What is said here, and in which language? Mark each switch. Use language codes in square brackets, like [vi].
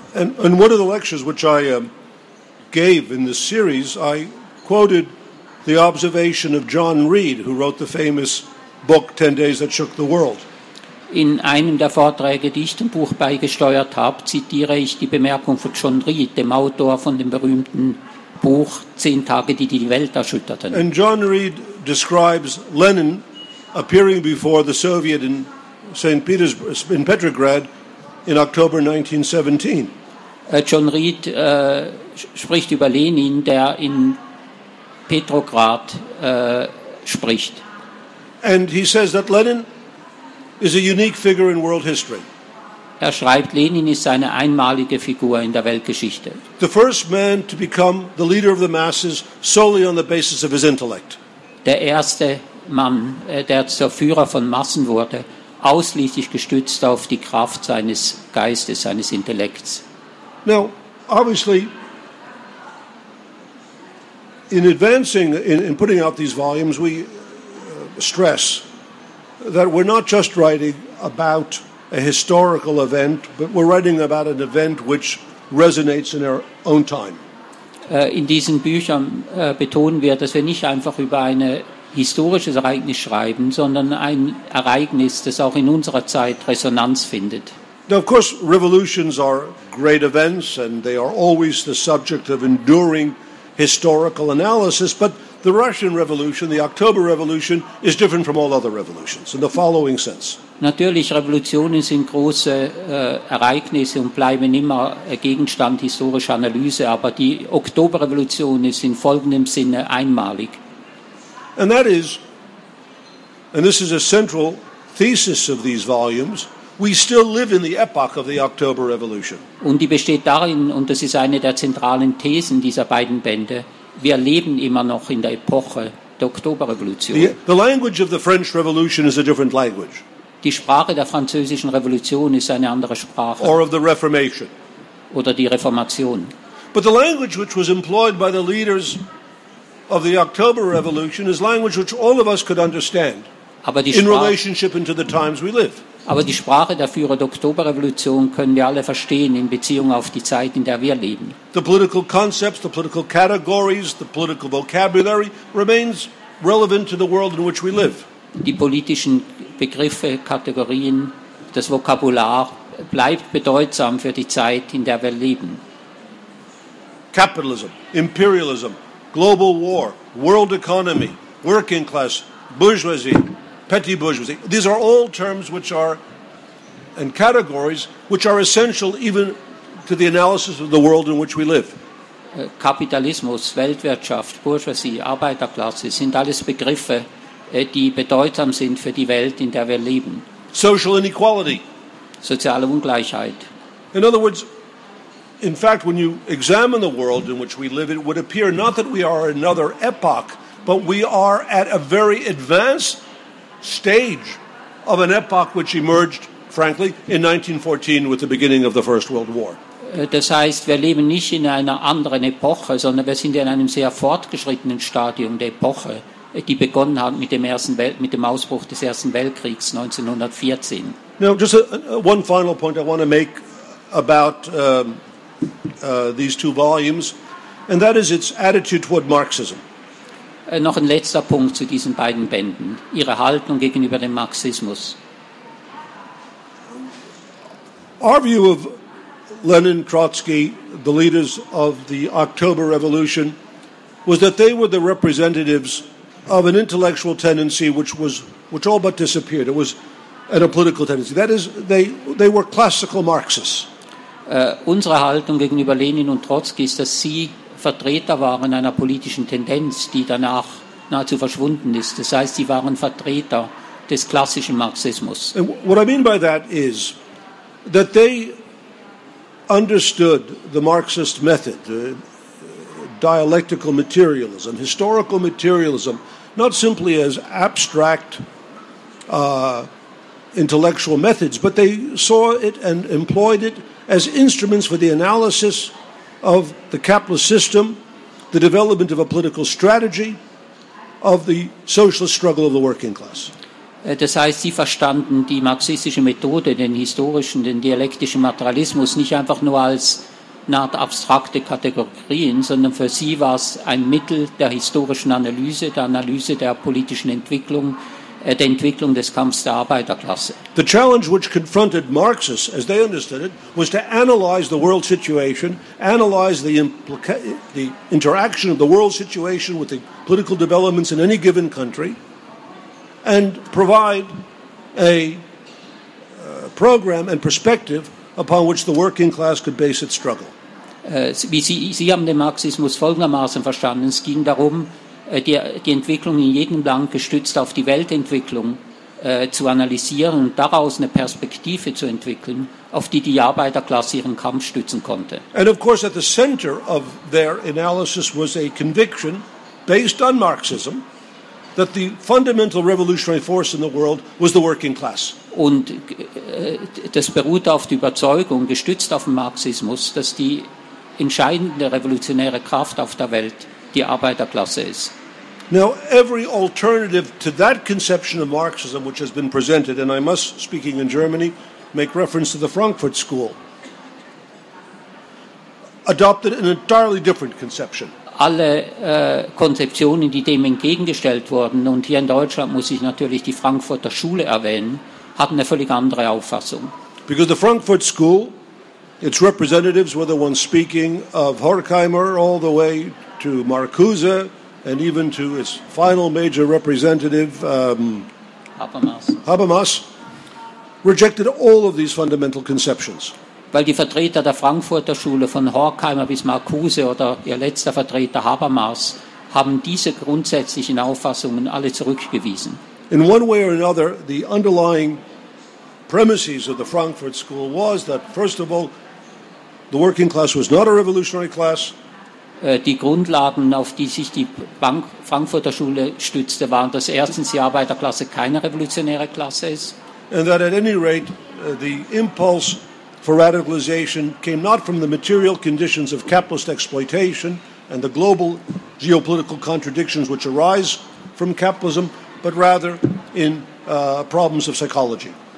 [en] And one of the lectures which I gave in this series, I quoted the observation of John Reed, who wrote the famous book Ten Days That Shook the World. [de] In einem der Vorträge, die ich dem Buch beigesteuert habe, zitiere ich die Bemerkung von John Reed, dem Autor von dem berühmten Buch Zehn Tage, die die Welt erschütterten. [en] And John Reed describes Lenin appearing before the Soviet in St. Petersburg, in Petrograd, in October 1917. [de] John Reed spricht über Lenin, der in Petrograd spricht. [en] And he says that Lenin is a unique figure in world history. [de] Er schreibt, Lenin ist eine einmalige Figur in der Weltgeschichte. [en] The first man to become the leader of the masses solely on the basis of his intellect. [de] Der erste Mann, der zur Führer von Massen wurde, ausschließlich gestützt auf die Kraft seines Geistes, seines Intellekts. [en] Now, obviously, in advancing, in putting out these volumes, we stress that we're not just writing about a historical event, but we're writing about an event which resonates in our own time. [de] In diesen Büchern betonen wir, dass wir nicht einfach über ein historisches Ereignis schreiben, sondern ein Ereignis, das auch in unserer Zeit Resonanz findet. [en] Now, of course, revolutions are great events, and they are always the subject of enduring historical analysis, but the Russian Revolution, the October Revolution, is different from all other revolutions in the following sense. [de] Natürlich, Revolutionen sind große Ereignisse und bleiben immer Gegenstand historischer Analyse, aber die Oktoberrevolution ist in folgendem Sinne einmalig. [en] And that is, and this is a central thesis of these volumes, we still live in the epoch of the October Revolution. [de] Und die besteht darin, und das ist eine der zentralen Thesen dieser beiden Bände, wir leben immer noch in der Epoche der Oktoberrevolution. [en] The language of the French Revolution is a different language. [de] Die Sprache der französischen Revolution ist eine andere Sprache. [en] Or of the Reformation. [de] Oder die Reformation. [en] But the language which was employed by the leaders of the October Revolution is language which all of us could understand in relationship into the times we live. [de] Aber die Sprache der Führer der Oktoberrevolution können wir alle verstehen in Beziehung auf die Zeit, in der wir leben. [en] The political concepts, the political categories, the political vocabulary remains relevant to the world in which we live. [de] Die politischen Begriffe, Kategorien, das Vokabular bleibt bedeutsam für die Zeit, in der wir leben. [en] Capitalism, imperialism, global war, world economy, working class, bourgeoisie, petty bourgeoisie. These are all terms which are, and categories, which are essential even to the analysis of the world in which we live. [de] Kapitalismus, Weltwirtschaft, Bourgeoisie, Arbeiterklasse sind alles Begriffe, die bedeutsam sind für die Welt, in der wir leben. [en] Social inequality. [de] Soziale Ungleichheit. [en] In other words, in fact, when you examine the world in which we live, it would appear not that we are another epoch, but we are at a very advanced stage of an epoch which emerged, frankly, in 1914 with the beginning of the First World War. [de] Das heißt, wir leben nicht in einer anderen Epoche, sondern wir sind in einem sehr fortgeschrittenen Stadium der Epoche, die begonnen hat mit dem Ausbruch des Ersten Weltkriegs 1914. [en] Now, just one final point I want to make about these two volumes, and that is its attitude toward Marxism. [de] Noch ein letzter Punkt zu diesen beiden Bänden, Ihre Haltung gegenüber dem Marxismus. [en] Our view of Lenin, Trotsky, the leaders of the October Revolution, was that they were the representatives of an intellectual tendency which all but disappeared. It was an apolitical tendency. That is, they were classical Marxists. [de] Unsere Haltung gegenüber Lenin und Trotsky ist, dass sie Vertreter waren einer politischen Tendenz, die danach nahezu verschwunden ist. Das heißt, sie waren Vertreter des klassischen Marxismus. [en] And what I mean by that is that they understood the Marxist method, dialectical materialism, historical materialism, not simply as abstract intellectual methods, but they saw it and employed it as instruments for the analysis of the capitalist system, the development of a political strategy, of the socialist struggle of the working class. [de] Das heißt, sie verstanden die marxistische Methode, den historischen, den dialektischen Materialismus, nicht einfach nur als eine Art abstrakte Kategorien, sondern für sie war es ein Mittel der historischen Analyse, der Analyse der politischen Entwicklung, der Entwicklung des Kampfs der Arbeiterklasse. [en] The challenge which confronted Marxists, as they understood it, was to analyze the world situation, analyze the interaction of the world situation with the political developments in any given country, and provide a program and perspective upon which the working class could base its struggle. [de] Sie haben den Marxismus folgendermaßen verstanden. Es ging darum, die Entwicklung in jedem Land gestützt auf die Weltentwicklung zu analysieren und daraus eine Perspektive zu entwickeln, auf die Arbeiterklasse ihren Kampf stützen konnte. [en] And of course at the center of their analysis was a conviction based on Marxism that the fundamental revolutionary force in the world was the working class. [de] Und das beruhte auf der Überzeugung, gestützt auf den Marxismus, dass die entscheidende revolutionäre Kraft auf der Welt die Arbeiterklasse ist. [en] Now, every alternative to that conception of Marxism which has been presented, and I must, speaking in Germany, make reference to the Frankfurt School, adopted an entirely different conception. [de] Alle Konzeptionen, die dem entgegengestellt wurden, und hier in Deutschland muss ich natürlich die Frankfurter Schule erwähnen, hatten eine völlig andere Auffassung. [en] Because the Frankfurt School, its representatives were the ones speaking of Horkheimer all the way to Marcuse and even to its final major representative, Habermas, rejected all of these fundamental conceptions. [de] Weil die Vertreter der Frankfurter Schule von Horkheimer bis Marcuse oder ihr letzter Vertreter Habermas haben diese grundsätzlichen Auffassungen alle zurückgewiesen. [en] In one way or another, the underlying premises of the Frankfurt School was that, first of all, the working class was not a revolutionary class. [de] Die Grundlagen, auf die sich die Frankfurter Schule stützte, waren, dass erstens die Arbeiterklasse keine revolutionäre Klasse ist. [en] And that at any rate, the impulse for radicalization came not from the material conditions of capitalist exploitation and the global geopolitical contradictions which arise from capitalism, but rather in problems of psychology.